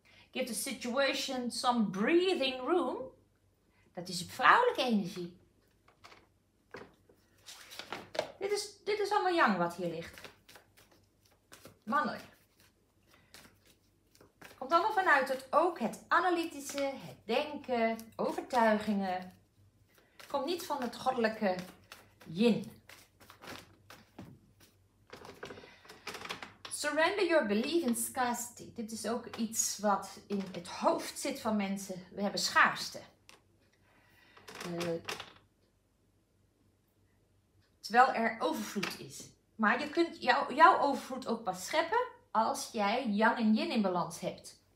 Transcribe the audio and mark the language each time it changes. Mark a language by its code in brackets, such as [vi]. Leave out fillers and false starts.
[en] Give the situation some breathing room. [nl] Dat is vrouwelijke energie. Dit is allemaal yang wat hier ligt. Mannelijk. Komt allemaal vanuit het ook het analytische, het denken, overtuigingen. Komt niet van het goddelijke yin. [en] Surrender your belief in scarcity. [nl] Dit is ook iets wat in het hoofd zit van mensen. We hebben schaarste. Terwijl er overvloed is. Maar je kunt jouw overvloed ook pas scheppen als jij yang en yin in balans hebt.